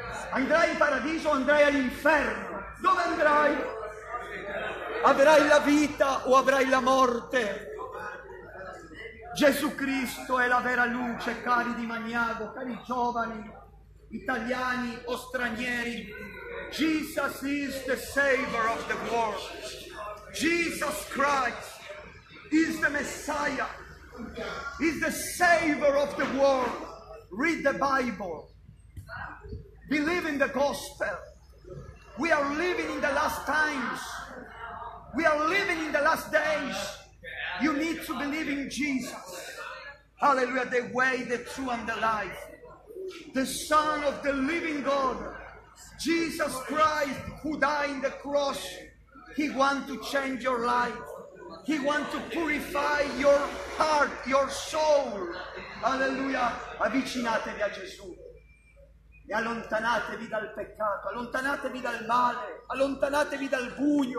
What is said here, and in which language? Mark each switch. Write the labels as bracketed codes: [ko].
[it] Andrai in paradiso o andrai all'inferno? Dove andrai? Avrai la vita o avrai la morte? Gesù Cristo è la vera luce, cari di Magnago, cari giovani, italiani o stranieri. [en] Jesus is the savior of the world. Jesus Christ is the Messiah. He's the savior of the world. Read the Bible. Believe in the gospel. We are living in the last times. We are living in the last days. You need to believe in Jesus. Hallelujah. The way, the truth, and the life. The Son of the living God. Jesus Christ, who died on the cross. He wants to change your life. He wants to purify your heart, your soul. Alleluia. [it] Avvicinatevi a Gesù e allontanatevi dal peccato, allontanatevi dal male, allontanatevi dal buio,